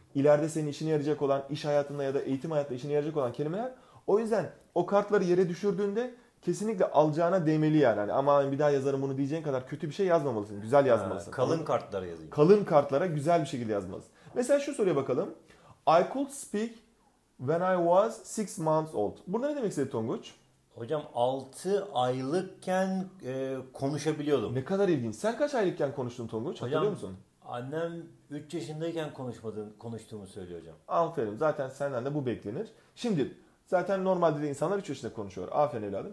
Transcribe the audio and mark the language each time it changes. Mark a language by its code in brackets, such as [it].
[tr] İleride senin işine yarayacak olan, iş hayatında ya da eğitim hayatında işine yarayacak olan kelimeler. O yüzden o kartları yere düşürdüğünde kesinlikle alacağına değmeli yani. Hani aman bir daha yazarım bunu diyeceğin kadar kötü bir şey yazmamalısın. Güzel Ha, yazmalısın. kalın kartlara yazayım. Kalın kartlara güzel bir şekilde yazmalısın. Mesela şu soruya bakalım. [en] I could speak when I was 6 months old. [tr] Burada ne demek istedi Tonguç? Hocam 6 aylıkken konuşabiliyordum. Ne kadar ilginç. Sen kaç aylıkken konuştun Tonguç? Hatırlıyor Hocam musun? annem 3 yaşındayken konuştuğumu söylüyor hocam. Aferin. Zaten senden de bu beklenir. Şimdi zaten normalde de insanlar 3 yaşında konuşuyor. Aferin evladım.